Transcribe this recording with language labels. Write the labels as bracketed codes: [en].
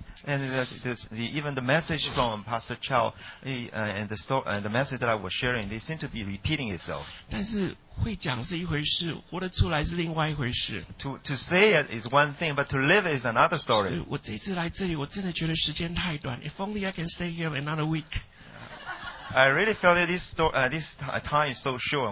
[en] And the message from Pastor Chow, and the message that I was sharing, they seem to be repeating itself. [zh] 但是会讲是一回事，活得出来是另外一回事。 [en] To say it is one thing, but to live is another story. [zh] 我这次来这里，我真的觉得时间太短。 [en] If only I can stay here another week. I really felt that this time is so short.